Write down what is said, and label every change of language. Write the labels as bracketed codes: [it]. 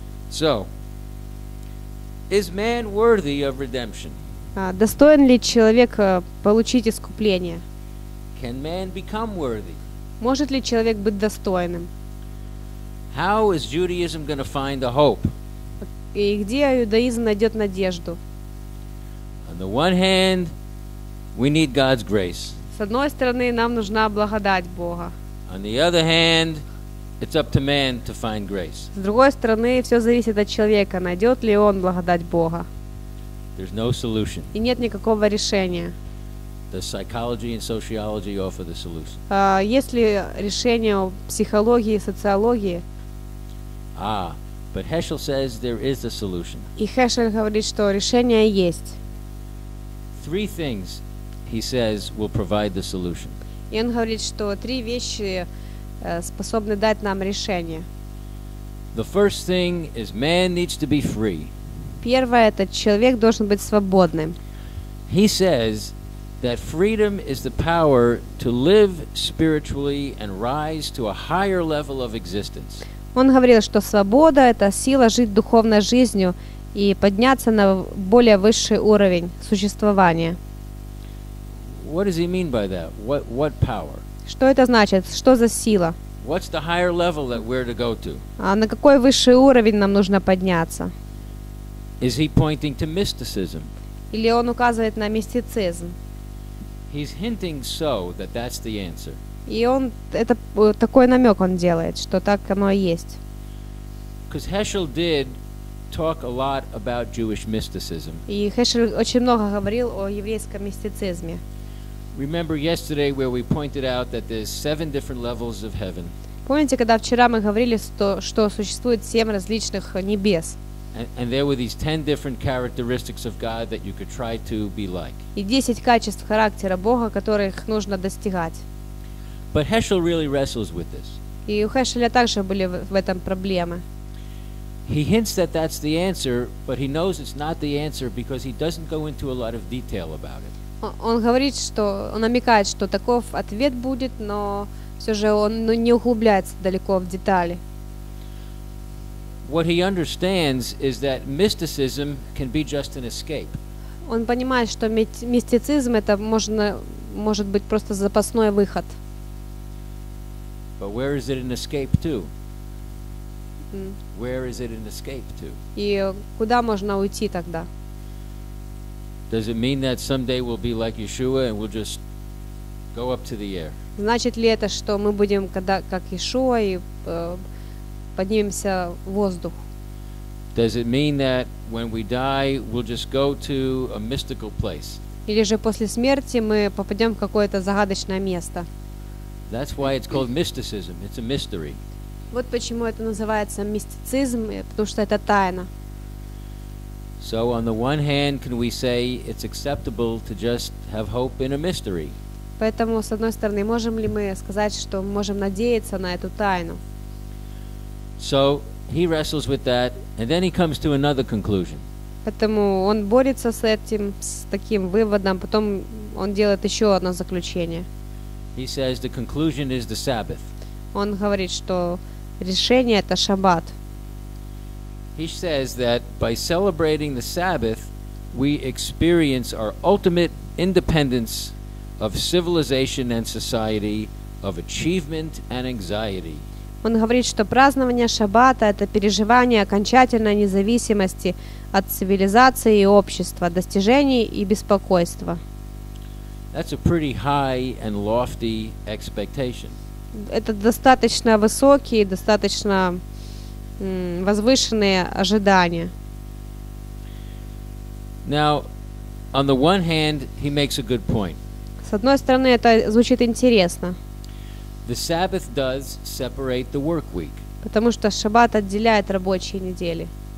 [en] So, is man worthy of redemption? [ru] Достоин ли человек получить искупление? [en] Can man become worthy? [ru] Может ли человек быть достойным? [en] How is Judaism going to find a hope? [ru] И где иудаизм найдет надежду? [en] On the one hand, we need God's grace. [ru] С одной стороны, нам нужна благодать Бога. [en] On the other hand, it's up to man to find grace. [ru] С другой стороны, все зависит от человека, найдет ли он благодать Бога. [en] There's no solution. [ru] И нет никакого решения. [en] The psychology and sociology offer the solution. [ru] Есть ли решение в психологии и социологии? [en] Ah, but Heschel says there is a solution. [ru] И Хешель говорит, что решение есть. [en] Three things, he says, will provide the solution. [ru] И он говорит, что три вещи способны дать нам решение. [en] The first thing is man needs to be free. [ru] Первое — это человек должен быть свободным. [en] He says that freedom is the power to live spiritually and rise to a higher level of existence. [ru] Он говорил, что свобода — это сила жить духовной жизнью и подняться на более высший уровень существования. [en] What does he mean by that? What power? [ru] Что это значит? Что за сила? [en] What's the higher level that we're to go to? [ru] А на какой высший уровень нам нужно подняться? [en] Is he pointing to mysticism? [ru] Или он указывает на мистицизм? [en] He's hinting so that that's the answer. [ru] И он это такой намек он делает, что так оно и есть. [en] Because Heschel did talk a lot about Jewish mysticism. [ru] И Хешель очень много говорил о еврейском мистицизме. [en] Remember yesterday where we pointed out that there's 7 different levels of heaven. [ru] Помните, когда вчера мы говорили, что существует 7 различных небес? [en] And there were these 10 different characteristics of God that you could try to be like. [ru] И 10 качеств характера Бога, которых нужно достигать. [en] But Heschel really wrestles with this. [ru] И у Хешеля также были в этом проблемы. [en] He hints that that's the answer, but he knows it's not the answer because he doesn't go into a lot of detail about it. [ru] Он говорит, что он намекает, что таков ответ будет, но все же он не углубляется далеко в детали. [en] What he understands is that mysticism can be just an escape. [ru] Он понимает, что мистицизм это может быть просто запасной выход. [en] But where is it an escape to? Where is it an escape to? [ru] И куда можно уйти тогда? [en] Does it mean that someday we'll be like Yeshua and we'll just go up to the air? [ru] Значит ли это, что мы будем когда как Иешуа и поднимемся в воздух? [en] Does it mean that when we die we'll just go to a mystical place? [ru] Или же после смерти мы попадем в какое-то загадочное место? [en] That's why it's called mysticism. It's a mystery. [ru] Вот почему это называется мистицизм, потому что это тайна. [en] So on the one hand, can we say it's acceptable to just have hope in a mystery? [ru] Поэтому с одной стороны, можем ли мы сказать, что мы можем надеяться на эту тайну? [en] So he wrestles with that, and then he comes to another conclusion. [ru] Поэтому он борется с этим, с таким выводом, потом он делает еще одно заключение. [en] He says the conclusion is the Sabbath. [ru] Он говорит, что решение это Шаббат. [en] He says that by celebrating the Sabbath, we experience our ultimate independence of civilization and society, of achievement and anxiety. [ru] Он говорит, что празднование Шаббата — это переживание окончательной независимости от цивилизации и общества, достижений и беспокойства. [en] That's a pretty high and lofty expectation. [ru] Это достаточно высокие, достаточно возвышенные ожидания. [en] Now, on the one hand, he makes a good point. [ru] С одной стороны, это звучит интересно. [en] The Sabbath does separate the work week. [ru] Потому что Шаббат отделяет рабочие недели.